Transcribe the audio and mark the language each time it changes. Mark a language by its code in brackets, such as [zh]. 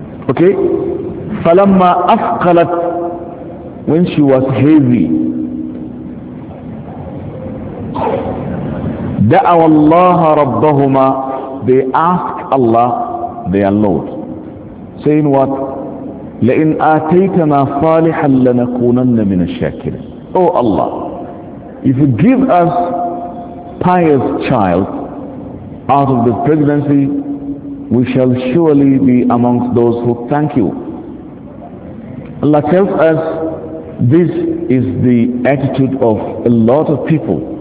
[en] Okay? [ar] فَلَمَّا أَثْقَلَتْ, [en] when she was heavy, [ar] دَعَوَ اللَّهَ رَبَّهُمَا, [en] they asked Allah, their Lord, saying what? [ar] لَئِنْ آتَيْتَنَا صَالِحًا لَنَكُونَنَّ مِنَ الشَّاكِرِينَ. [en] Oh Allah, If you give us pious child out of this presidency, we shall surely be amongst those who thank you. Allah tells us this is the attitude of a lot of people.